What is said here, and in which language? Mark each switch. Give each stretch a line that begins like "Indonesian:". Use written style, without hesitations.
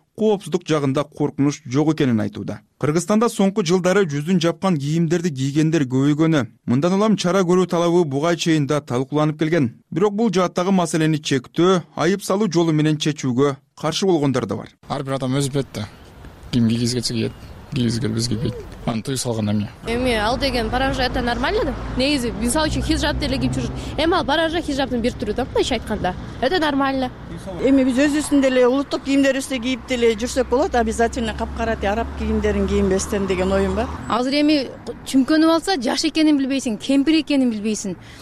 Kyrgyz: коопсуздук жагында коркунуч жок экенин айтууда. Кыргызстанда соңку жылдары жүзүн жапкан кийимдерди кийгендер көбөйгөнү, мындан улам чара көрүү талабы буга чейин да талкууланып келген. Бирок бул жааттагы маселени чектөө, айып салуу жолу менен чечүүгө каршы болгондор да бар. Ар бир адам өз бетте ким кийгизгесе кийет. Аны тыюу салган эмне? Эми ал деген баражай это нормально да? Негизи мисалы үчүн хиджаб деле кийип жүрүп, эми ал баражай хиджабдын бир түрү да, мындайча айтканда.
Russian: Это нормально.
Kyrgyz: Эми биз өзүбүздүн деле улуттук кийимдерибизди кийип деле жүрсөк болот, а обязательно капкара тие араб кийимдерин кийинбестен деген оюм бар. Азыр эми чүмкөнүп алса жаш экенин билбейсиң, кемпир экенин билбейсиң.